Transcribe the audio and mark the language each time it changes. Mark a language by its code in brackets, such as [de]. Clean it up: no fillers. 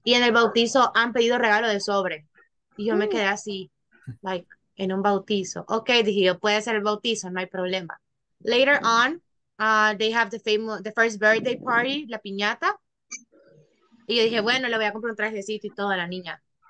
[es] Y en el bautizo han pedido regalo de sobre. Y yo me quedé así, like, en un bautizo. Okay, dije yo, puede ser el bautizo, no hay problema. [en] Later on, they have the first birthday party, la piñata. [es] Y yo dije, bueno, le voy a comprar un trajecito y todo a la niña.